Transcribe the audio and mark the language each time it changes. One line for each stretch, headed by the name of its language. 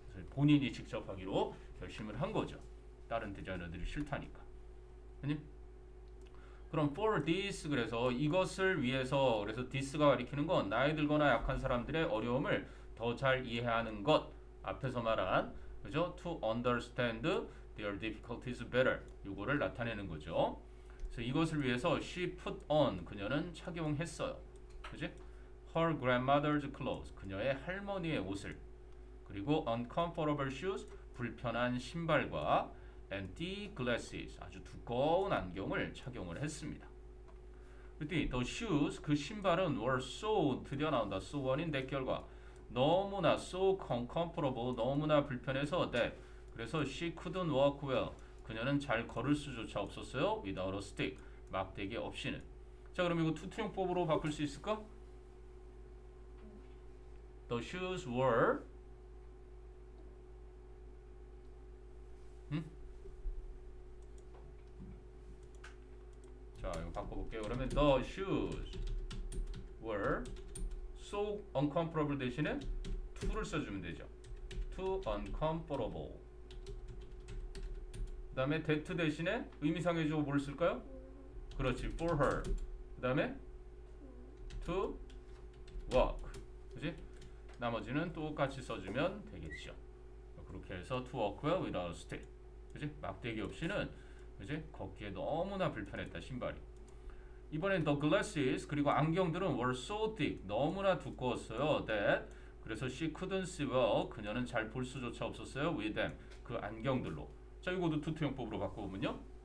Korean: 본인이 직접 하기로 결심을 한 거죠. 다른 디자이너들이 싫다니까. 아니? 그럼 for this, 그래서 이것을 위해서, 그래서 this가 가리키는 건 나이 들거나 약한 사람들의 어려움을 더 잘 이해하는 것. 앞에서 말한, 그죠?
English: To understand their difficulties better,
Korean: 이거를 나타내는 거죠. 이것을 위해서 she put on, 그녀는 착용했어요. 그지?
English: Her grandmother's clothes,
Korean: 그녀의 할머니의 옷을. 그리고 uncomfortable shoes, 불편한 신발과 and thick glasses, 아주 두꺼운 안경을 착용을 했습니다. 그때 the shoes, 그 신발은 were so, 드디어 나온다. So on인데 결과 너무나 so uncomfortable, 너무나 불편해서 that, 그래서
English: she couldn't walk well.
Korean: 그녀는 잘 걸을 수조차 없었어요.
English: Without a stick, 막대기 없이는.
Korean: 자, 그럼 이거 투트용법으로 바꿀 수 있을까? The shoes were 자, 이거 바꿔볼게요. 그러면 the shoes were so uncomfortable 대신에 to를 써주면 되죠.
English: Too uncomfortable.
Korean: 그 다음에 that 대신에 의미상의 주어 뭘 쓸까요? 그렇지, for her. 그 다음에 to walk. 그렇지? 나머지는 똑같이 써주면 되겠죠.
English: 그렇게 해서 to walk well without a stick.
Korean: 그렇지? 막대기 없이는, 그렇지? 걷기에 너무나 불편했다, 신발이. 이번엔 the glasses, 그리고 안경들은 were so thick, 너무나 두꺼웠어요. That, 그래서
English: she couldn't see well,
Korean: 그녀는 잘 볼 수조차 없었어요. With them, 그 안경들로. 자, 이것도 투트용법으로 바꿔보면요.